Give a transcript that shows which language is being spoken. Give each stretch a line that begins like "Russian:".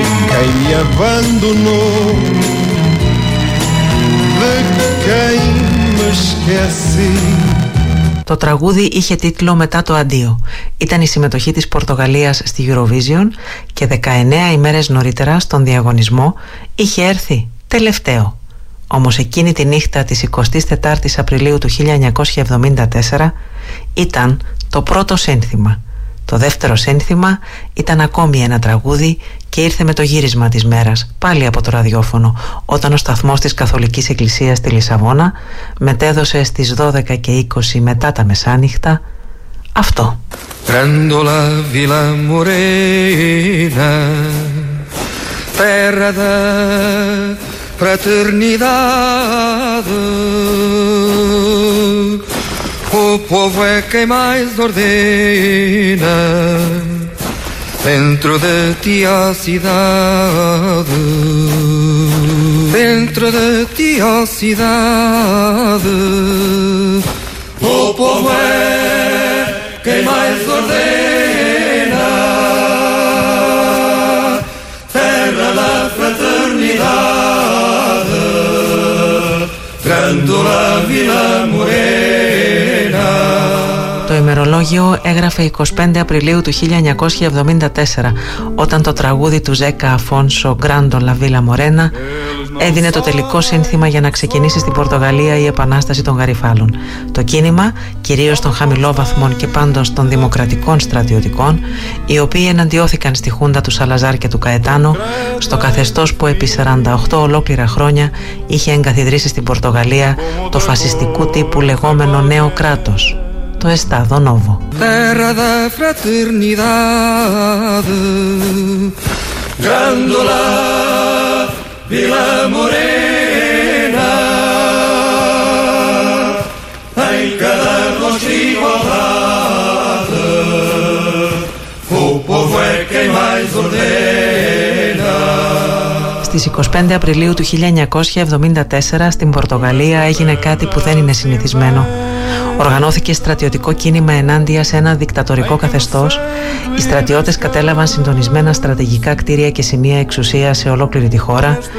Portuguese: Quem me abandonou, de quem me esquece.
Greek: Το τραγούδι είχε τίτλο «Μετά το αντίο». Ήταν η συμμετοχή της Πορτογαλίας στη Eurovision και 19 ημέρες νωρίτερα στον διαγωνισμό είχε έρθει τελευταίο. Όμως εκείνη τη νύχτα της 24ης Απριλίου του 1974 ήταν το πρώτο σύνθημα. Το δεύτερο σύνθημα ήταν ακόμη ένα τραγούδι και ήρθε με το γύρισμα της μέρας, πάλι από το ραδιόφωνο, όταν ο σταθμός της Καθολικής Εκκλησίας στη Λισαβόνα μετέδωσε στις 12:20 μετά τα μεσάνυχτα αυτό.
Portuguese: Grandola Villa Morena, terra da fraternidade. O povo é quem mais ordena dentro de ti a cidade, dentro de ti a cidade. O povo é quem mais ordena, terra da fraternidade, Grandola Vila Morena.
Greek: Το ημερολόγιο έγραφε 25 Απριλίου του 1974, όταν το τραγούδι του Ζέκα Αφόνσο «Γκράντολα Βίλα Μορένα» έδινε το τελικό σύνθημα για να ξεκινήσει στην Πορτογαλία η επανάσταση των Γαριφάλων. Το κίνημα, κυρίως των χαμηλόβαθμων και πάντως των δημοκρατικών στρατιωτικών, οι οποίοι εναντιώθηκαν στη χούντα του Σαλαζάρ και του Καετάνο, στο καθεστώς που επί 48 ολόκληρα χρόνια είχε εγκαθιδρύσει στην Πορτογαλία το φασιστικού τύπου λεγόμενο νέο κράτος, το Estado Novo.
Portuguese: Terra da fraternidade, Grandola Vila Morena, em cada nós igualdade, o povo é quem mais ordena.
Greek: στις 25 Απριλίου του 1974 στην Πορτογαλία έγινε κάτι που δεν είναι συνηθισμένο. Οργανώθηκε στρατιωτικό κίνημα ενάντια σε ένα δικτατορικό καθεστώς. Οι στρατιώτες κατέλαβαν συντονισμένα στρατηγικά κτίρια και σημεία εξουσίας σε ολόκληρη τη χώρα.